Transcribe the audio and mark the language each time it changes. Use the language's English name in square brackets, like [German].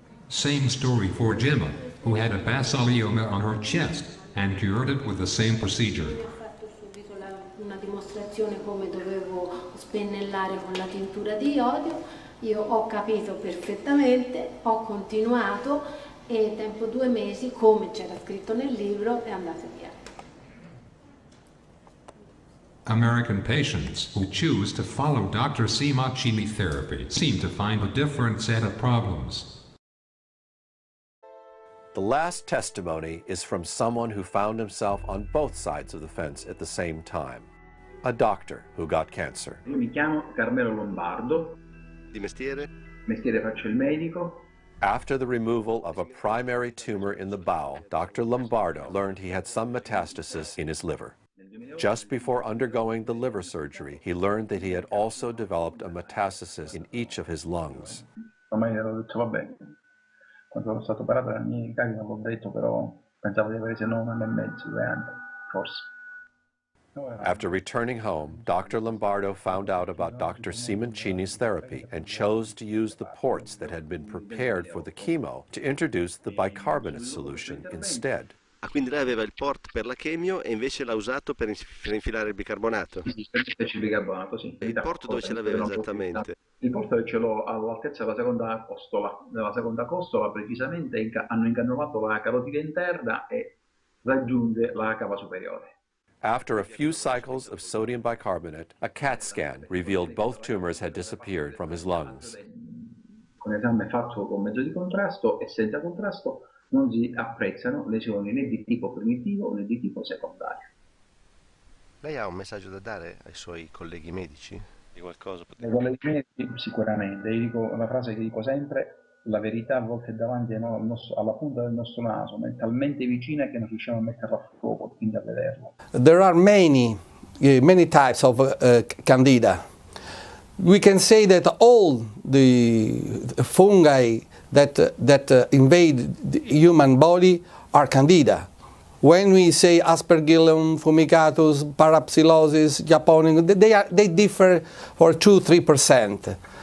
[English] Same story for Gemma, who had a basalioma on her chest and cured it with the same procedure. [Italian] Una dimostrazione come dovevo spennellare con la tintura di iodio, io ho capito perfettamente, ho continuato e tempo 2 mesi, come c'era scritto nel libro, è andato via. [English] American patients who choose to follow Dr. Simoncini therapy seem to find a different set of problems. The last testimony is from someone who found himself on both sides of the fence at the same time. A doctor who got cancer. [Italian] Io mi chiamo Carmelo Lombardo. Di mestiere? Mestiere faccio il medico. [English] After the removal of a primary tumor in the bowel, Dr. Lombardo learned he had some metastasis in his liver. Just before undergoing the liver surgery, he learned that he had also developed a metastasis in each of his lungs. [Italian] Ormai ero detto va bene. Quando sono stato operato la mia carica, l'ho detto, però pensavo di avere se non un anno e mezzo, 2 anni, forse. [English] After returning home, Dr. Lombardo found out about Dr. Simoncini's therapy and chose to use the ports that had been prepared for the chemo to introduce the bicarbonate solution instead. [Italian] Ah, quindi lei aveva il port per la chemio e invece l'ha usato per infilare il bicarbonato? Sì, il bicarbonato, sì. Il port dove ce l'aveva esattamente? Il port ce l'ho all'altezza della seconda costola. Nella seconda costola, precisamente, hanno incannulato la carotide interna e raggiunge la cava superiore. After a few cycles of sodium bicarbonate, a CAT scan revealed both tumors had disappeared from his lungs. Con esame fatto con mezzo di contrasto e senza contrasto, non si apprezzano lesioni né di tipo primitivo né di tipo secondario. Lei ha un messaggio da dare ai suoi colleghi medici? Di qualcosa? Ai colleghi medici sicuramente. Io dico una frase che dico sempre: la verità a volte è davanti alla punta del nostro naso, ma è talmente vicina che non riusciamo a metterla a fuoco, quindi a vederla. [English] There are many types of candida. We can say that all the fungi that invade the human body are candida. When we say Aspergillum, Fumigatus, Parapsilosis, Japonin, they differ for 2-3%.